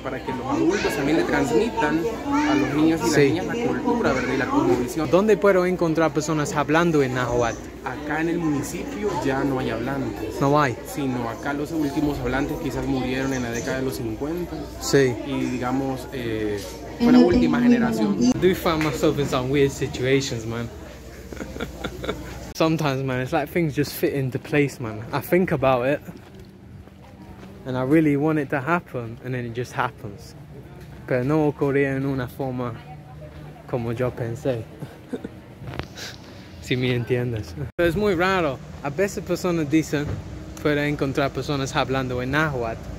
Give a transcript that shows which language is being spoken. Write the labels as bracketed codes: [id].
[es] Para que los adultos también le transmitan a los niños y las, sí, niñas la cultura, ¿verdad? Y la cosmovisión. ¿Dónde puedo encontrar personas hablando en náhuatl? Acá en el municipio ya no hay hablantes. ¿No hay? Sí, no, acá los últimos hablantes quizás murieron en la década de los 50. Sí. Y digamos, fue la última generación. [en] Do you find myself in some weird situations, man? Sometimes, man, it's like things just fit into place, man. I think about it, and I really want it to happen, and then it just happens. [es] Pero no ocurría en una forma como yo pensé. Si me entiendes. Pero es muy raro. A veces personas dicen puede encontrar personas hablando en náhuatl.